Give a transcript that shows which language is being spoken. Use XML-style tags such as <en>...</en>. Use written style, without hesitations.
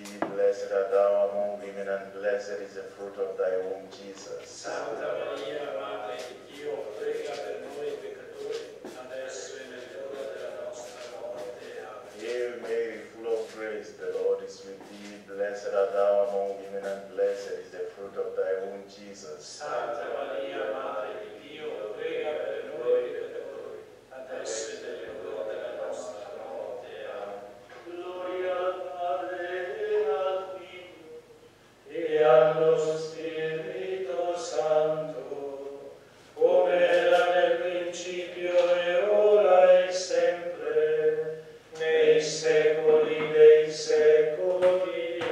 <en>Blessed art thou among women, and blessed is the fruit of thy womb, Jesus.</en> <it>Santa Maria, Madre di Dio, prega per noi peccatori, adesso e nell'ora della nostra morte. Amen.</it> <en>Hail Mary, full of grace, the Lord is with thee. Blessed art thou among women, and blessed is the fruit of thy womb, Jesus.</en> <it>Santa Maria, Madre di Dio, prega per noi peccatori, adesso e nell'ora della nostra morte. Amen. Gloria al Padre, e allo Spirito Santo, come era nel principio e ora e sempre, nei secoli dei secoli.</it>